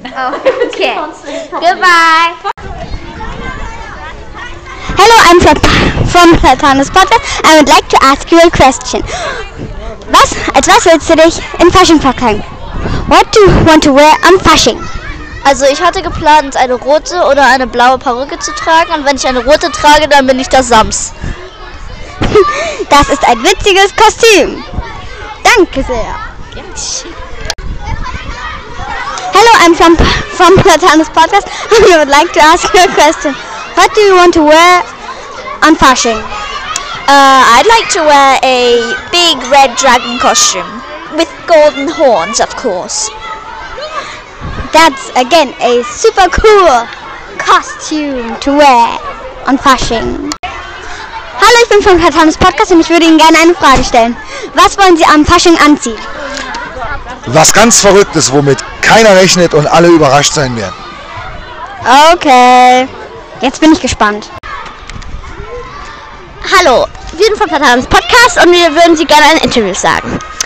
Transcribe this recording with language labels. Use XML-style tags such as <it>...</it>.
<en>Okay. Goodbye. Hello, I'm from Platanus Platanus. I would like to ask you a question.</en> <de>Was willst du dich in Fasching verkleiden?</de> <en>What do you want to wear on Fasching?</en> <de>Also, ich hatte geplant, eine rote oder eine blaue Perücke zu tragen. Und wenn ich eine rote trage, dann bin ich der Sams. Das ist ein witziges Kostüm. Danke sehr.</de> <en>Hello, I'm from Platanus Podcast. I would like to ask you a question. What do you want to wear on Fasching? I'd like to wear a big red dragon costume. With golden horns, of course. That's, again, a super cool costume to wear on Fasching.</en> <de>Hallo, ich bin von Platanus Podcast und ich würde Ihnen gerne eine Frage stellen. Was wollen Sie am Fasching anziehen? Was ganz Verrücktes, womit keiner rechnet und alle überrascht sein werden. Okay, jetzt bin ich gespannt. Hallo, wir sind von Platanus Podcast und wir würden Sie gerne ein Interview sagen.</de>